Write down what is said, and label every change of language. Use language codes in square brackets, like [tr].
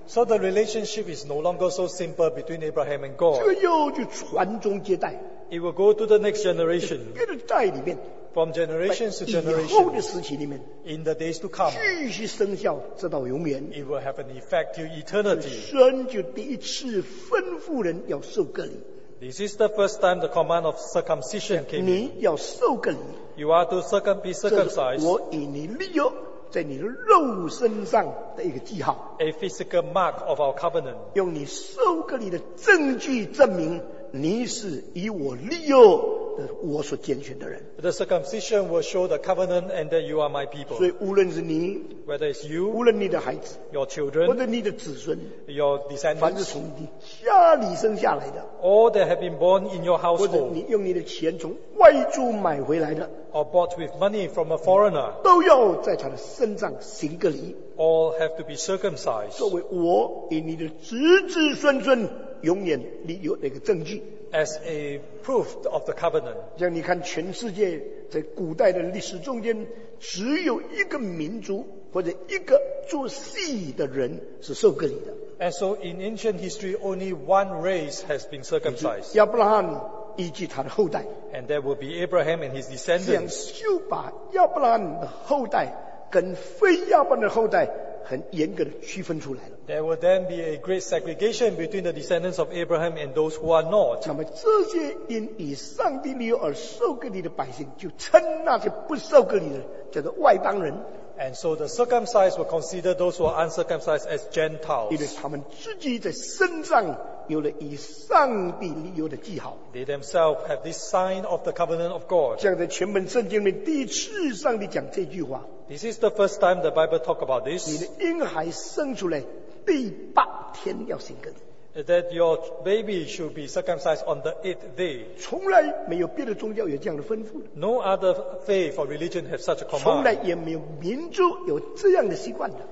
[en] So the relationship is no longer so simple between Abraham and God. [zh] 这个约就传宗接代。 [en] It will go to the next generation. [zh] 这个代里面。 [en] From generations to generations, [zh] 以后的时期里面 [en] in the days to come, [zh] 继续生效直到永远 [en] it will have an effect till eternity. [zh] 神就第一次吩咐人要受割礼 [en] This is the first time the command of circumcision came in. [zh] 你要受割礼 [en] You are to be circumcised. [zh] 我与你立约在你肉身上的一个记号 [en] A physical mark of our covenant. [zh] 用你受割礼的证据证明你是以我立约我所拣选的人。 [en] The circumcision will show the covenant and that you are my people. [zh] 所以无论是你 [en] whether it's you, [zh] 无论你的孩子 [en] your children, [zh] 或者你的子孙 [en] your descendants, [zh] 凡是从你家里生下来的 [en] all that have been born in your household, [zh] 或者你用你的钱从外租买回来的 [en] or bought with money from a foreigner, [zh] 都要在他的身上行个礼 [en] all have to be circumcised. [zh] 作为我与你的子子孙孙永远立约的一个证据。 [en] As a proof of the covenant. [zh] 像你看全世界在古代的历史中间只有一个民族或者一个做祭的人是受割礼的。 [en] And so in ancient history, only one race has been circumcised. [zh] 亚伯拉罕以及他的后代。 [en] And that will be Abraham and his descendants. [zh] 这样就把亚伯兰的后代跟非亚伯兰的后代很严格的区分出来了。 [en] There will then be a great segregation between the descendants of Abraham and those who are not. [zh] 那么这些因以上帝律而受割礼的百姓，就称那些不受割礼的叫做外邦人。 [en] And so the circumcised were considered those who are uncircumcised as Gentiles. [zh] 因为他们自己的身上有了以上帝立约的记号。 [en] They themselves have this sign of the covenant of God. [zh] 这样在全本圣经里面第一次上帝讲这句话。 [en] This is the first time the Bible talk about this. [zh] 你的婴孩生出来第八天要行割礼。 [en] That your baby should be circumcised on the eighth day. [zh] 从来没有别的宗教有这样的吩咐。 [en] No other faith or religion have such a command. [zh] 从来也没有民族有这样的习惯的。